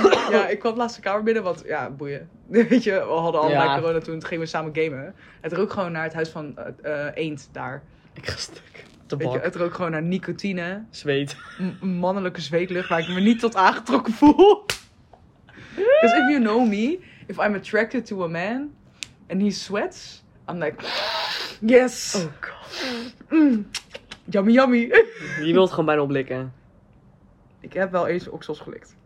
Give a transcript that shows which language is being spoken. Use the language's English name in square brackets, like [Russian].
[Dutch] Ja, ik kwam laatst de kamer binnen, want ja, boeien. Weet je, we hadden allemaal ja. corona toen, toen gingen we samen gamen. Het rook gewoon naar het huis van Eend daar. Ik ga stuk. De bak. Je, het rook gewoon naar nicotine. Zweet. Mannelijke zweetlucht waar ik me niet tot aangetrokken voel. [English] Because if you know me, if I'm attracted to a man and he sweats, I'm like, yes. Oh god. Mm. Yummy, yummy. [Dutch] Je wilt gewoon bijna oplikken. Ik heb wel eens oksels gelikt.